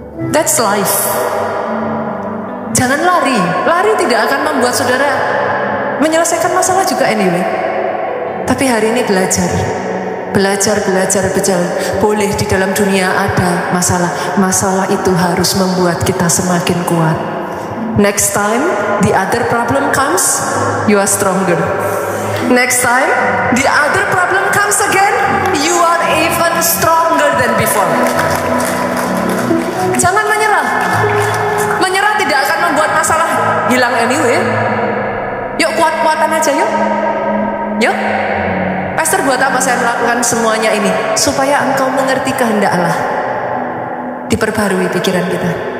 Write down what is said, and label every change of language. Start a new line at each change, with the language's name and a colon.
English: That's life.
Indonesian: Jangan lari. Lari tidak akan membuat saudara menyelesaikan masalah juga anyway. Tapi hari ini belajar. Belajar, berjalan. Boleh di dalam dunia ada masalah. Masalah itu harus membuat kita semakin kuat.
English: Next time the other problem comes, you are stronger. Next time the other problem comes again, you are even stronger than before.
Indonesian: Jangan menyerah. Menyerah tidak akan membuat masalah hilang anyway. Yuk kuat-kuatan aja yuk. Yuk. Pastor, buat apa saya melakukan semuanya ini? Supaya engkau mengerti kehendak Allah. Diperbarui pikiran kita.